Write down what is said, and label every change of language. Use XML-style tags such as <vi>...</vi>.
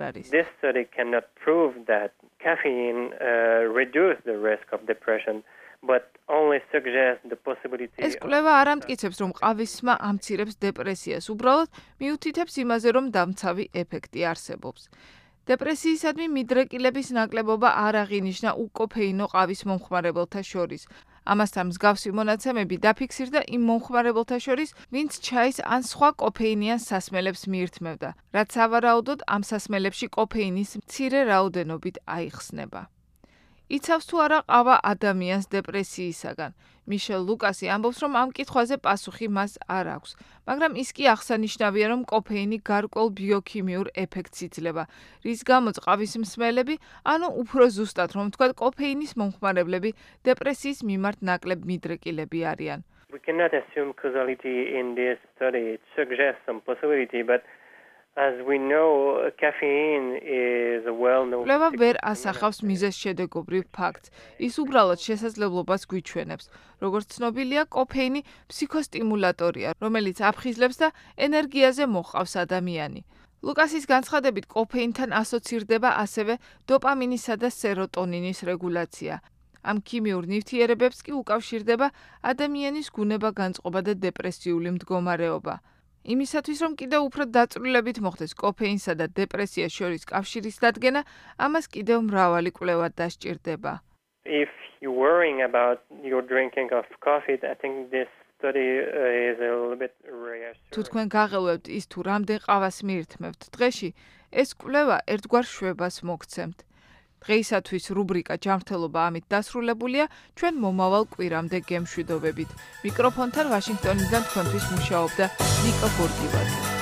<en>This study cannot prove that caffeine reduced the risk of depression. But only suggests the possibility.</en> <ka>ეს კვლევა არ ამტკიცებს, რომ ყავისმა ამცირებს დეპრესიას, უბრალოდ მიუთითებს იმაზე, რომ დამცავი ეფექტი არსებობს. დეპრესიისადმი მიდრეკილების ნაკლებობა არ აღინიშნა უკოფეინო ყავის მომხმარებელთა შორის. ამასთან მსგავსი მონაცემები დაფიქსირდა იმ მომხმარებელთა შორის, ვინც ჩაის ან სხვა კოფეინიან სასმელებს მიირთმევდა, რაც სავარაუდოდ ამ სასმელებში კოფეინის მცირე რაოდენობით აიხსნება. იცავს თუ არა ყავა ადამიანს დეპრესიისაგან? მიშელ ლუკასი ამბობს, რომ ამ კითხვაზე პასუხი მას არ აქვს, მაგრამ ის კი აღსანიშნავია, რომ კოფეინი გარკვეულ ბიოქიმიურ ეფექტს იძლევა, რის გამოც ყავის მსმელები, ანუ უფრო ზუსტად, რომ ვთქვათ, კოფეინის მომხმარებლები დეპრესიის მიმართ ნაკლებ მიდრეკილები არიან.</ka> <en>We cannot assume causality in this study. It suggests some possibility, but as we know, caffeine is a well-known</en> <ka>კვლევა ვერ ასახავს მიზეს შედეგობრივ ფაქტს. ის უბრალოდ შესაძლებლობას გვიჩვენებს. როგორც ცნობილია, კოფეინი ფსიქოსტიმულატორია, რომელიც აფხიზლებს და ენერგიაზე მოჰყავს ადამიანი. ლუკასის განცხადებით, კოფეინთან ასოცირდება ასევე დოპამინისა და სეროტონინის რეგულაცია. ამ ქიმიურ ნივთიერებებს კი უკავშირდება ადამიანის გუნებაგანწყობა და დეპრესიული მდგომარეობა. იმისათვის, რომ კიდევ უფრო დაწვრილებით მოხდეს კოფეინსა და დეპრესიას შორის კავშირის დადგენა, ამას კიდევ მრავალი კვლევა დასჭირდება.</ka> <en>If you're worrying about your drinking of coffee, I think this study is a little bit reassuring.</en> <ka>თუ თქვენ გაღელვებთ ის, თუ რამდენ ყავას მიირთმევთ დღეში, ეს კვლევა ერთგვარ შვებას მოგცემთ. დღეისათვის რუბრიკა ჯანმრთელობა ამით დასრულებულია. ჩვენ მომავალ კვირამდე გემშვიდობებით. მიკროფონთან ვაშინგტონიდან თქვენთვის მუშაობდა ლიკა გორგილაძე.</ka>